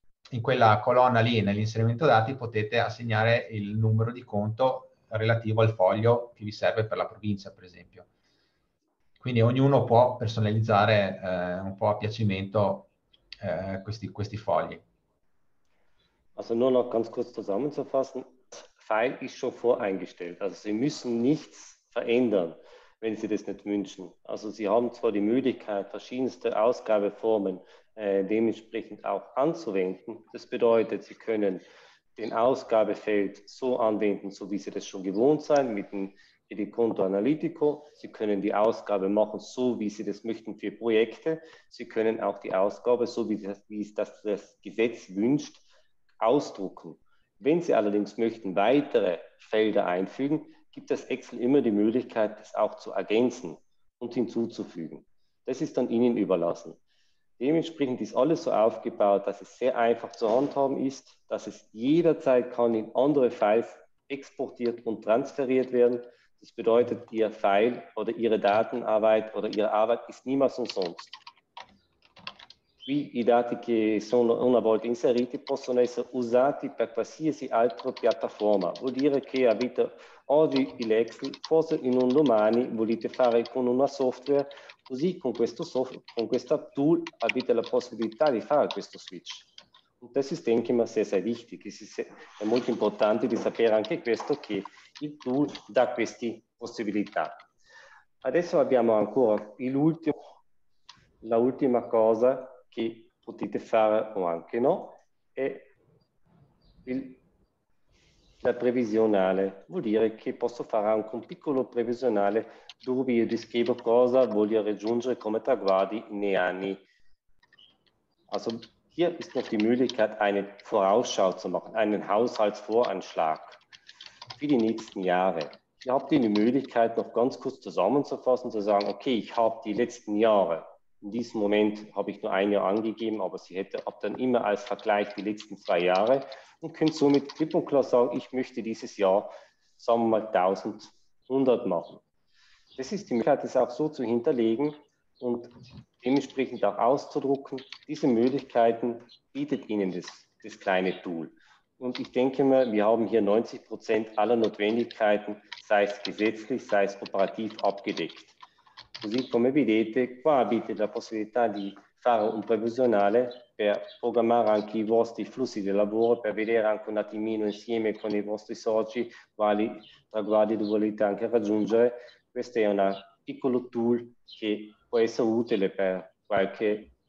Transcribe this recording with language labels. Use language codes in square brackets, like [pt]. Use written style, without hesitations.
[it] in quella colonna lì, nell'inserimento dati, potete assegnare il numero di conto relativo al foglio che vi serve per la provincia, per esempio. Quindi ognuno può personalizzare un po' a piacimento questi fogli. [de] Also nur noch ganz kurz zusammenzufassen, File ist schon voreingestellt. Also Sie müssen nichts verändern, wenn Sie das nicht wünschen. Also Sie haben zwar die Möglichkeit, verschiedenste Ausgabeformen dementsprechend auch anzuwenden. Das bedeutet, Sie können den Ausgabefeld so anwenden, so wie Sie das schon gewohnt sind, mit dem Rendiconto Analitico. Sie können die Ausgabe machen, so wie Sie das möchten für Projekte. Sie können auch die Ausgabe, so wie das Gesetz wünscht, ausdrucken. Wenn Sie allerdings möchten weitere Felder einfügen, gibt das Excel immer die Möglichkeit, das auch zu ergänzen und hinzuzufügen. Das ist dann Ihnen überlassen. Dementsprechend ist alles so aufgebaut, dass es sehr einfach zu handhaben ist, dass es jederzeit kann in andere Files exportiert und transferiert werden. Das bedeutet, Ihr File oder Ihre Datenarbeit oder Ihre Arbeit ist niemals umsonst. [it] I dati che sono una volta inseriti possono essere usati per qualsiasi altra piattaforma. Vuol dire che avete oggi l'Excel, forse in un domani volete fare con una software, così con questo software, con questa tool avete la possibilità di fare questo switch. Questo è anche ma sia wichtig. È molto importante di sapere anche questo, che il tool dà queste possibilità. Adesso abbiamo ancora l'ultima cosa che potete fare o anche no, è la previsionale. Vuol dire che posso fare anche un piccolo previsionale dove io descrivo cosa voglio raggiungere come traguardi nei anni. [de] Also hier ist noch die Möglichkeit, eine Vorausschau zu machen, einen Haushaltsvoranschlag für die nächsten Jahre. Hier habt ihr die Möglichkeit, noch ganz kurz zusammenzufassen, zu sagen, okay, ich habe die letzten Jahre, in diesem Moment habe ich nur ein Jahr angegeben, aber sie hätte ab dann immer als Vergleich die letzten zwei Jahre und könnte somit klipp und klar sagen, ich möchte dieses Jahr, sagen wir mal, 1100 machen. Das ist die Möglichkeit, das auch so zu hinterlegen und dementsprechend auch auszudrucken. Diese Möglichkeiten bietet Ihnen das kleine Tool. Und ich denke mal, wir haben hier 90% aller Notwendigkeiten, sei es gesetzlich, sei es operativ, abgedeckt. [it] Così come vedete, qua avete la possibilità di fare un previsionale per programmare anche i vostri flussi di lavoro, per vedere anche un attimino insieme con i vostri soci quali traguardi volete anche raggiungere. Questo è un piccolo tool che può essere utile per qualche